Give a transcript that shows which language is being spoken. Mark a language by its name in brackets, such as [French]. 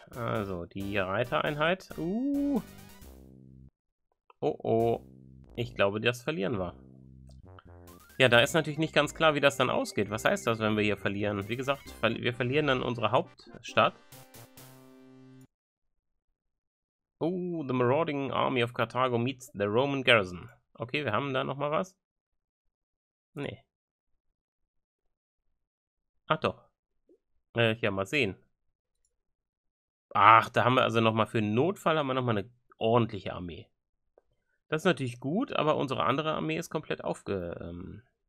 [German] Also, die Reitereinheit. Oh. Ich glaube, das verlieren wir. Ja, da ist natürlich nicht ganz klar, wie das dann ausgeht. Was heißt das, wenn wir hier verlieren? Wie gesagt, wir verlieren dann unsere Hauptstadt. [English] Oh, the Marauding Army of Carthago meets the Roman Garrison. [German] Okay, wir haben da nochmal was. Nee. Ach doch. Ja, mal sehen. Ach, da haben wir also nochmal für einen Notfall haben wir nochmal eine ordentliche Armee. Das ist natürlich gut, aber unsere andere Armee ist komplett aufgerieben.